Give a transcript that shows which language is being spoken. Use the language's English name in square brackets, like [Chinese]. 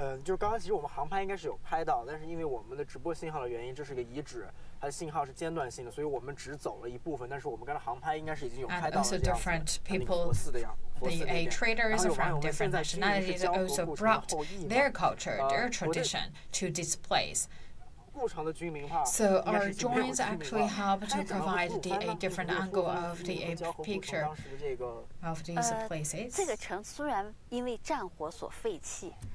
[Chinese] 就是刚刚其实我们航拍应该是有拍到，但是因为我们的直播信号的原因，这是个遗址，它的信号是间断性的，所以我们只走了一部分。但是我们刚才航拍应该是已经有拍到。 [English] And also different people, the traders from different nationalities, also brought their culture, their tradition to this place. So our drawings actually help to provide a different angle of the picture of these places. [Chinese] 这个城虽然因为战火所废弃。